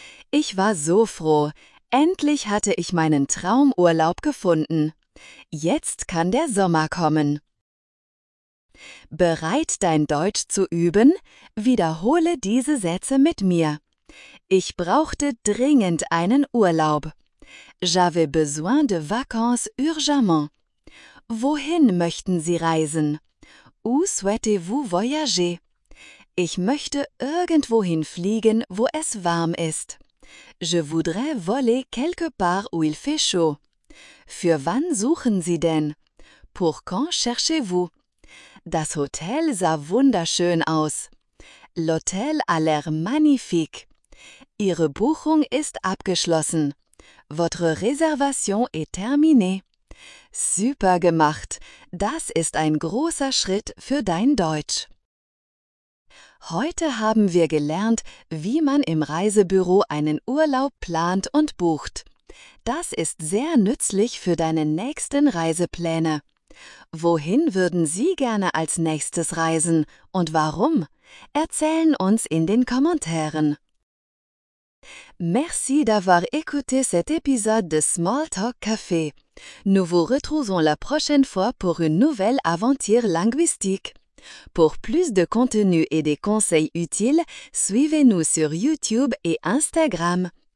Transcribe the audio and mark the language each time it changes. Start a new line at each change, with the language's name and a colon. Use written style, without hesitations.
German: Ich war so froh. Endlich hatte ich meinen Traumurlaub gefunden. Jetzt kann der Sommer kommen. Bereit, dein Deutsch zu üben? Wiederhole diese Sätze mit mir. Ich brauchte dringend einen Urlaub.
French: J'avais besoin de vacances urgemment.
German: Wohin möchten Sie reisen?
French: Où souhaitez-vous voyager?
German: Ich möchte irgendwohin fliegen, wo es warm ist.
French: Je voudrais voler quelque part où il fait chaud.
German: Für wann suchen Sie denn?
French: Pour quand cherchez-vous?
German: Das Hotel sah wunderschön aus.
French: L'hôtel a l'air magnifique.
German: Ihre Buchung ist abgeschlossen.
French: Votre réservation est terminée.
German: Super gemacht. Das ist ein großer Schritt für dein Deutsch. Heute haben wir gelernt, wie man im Reisebüro einen Urlaub plant und bucht. Das ist sehr nützlich für deine nächsten Reisepläne. Wohin würden Sie gerne als nächstes reisen und warum? Erzählen uns in den Kommentaren.
French: Merci d'avoir écouté cet épisode de Small Talk Café. Nous vous retrouvons la prochaine fois pour une nouvelle aventure linguistique. Pour plus de contenu et des conseils utiles, suivez-nous sur YouTube et Instagram.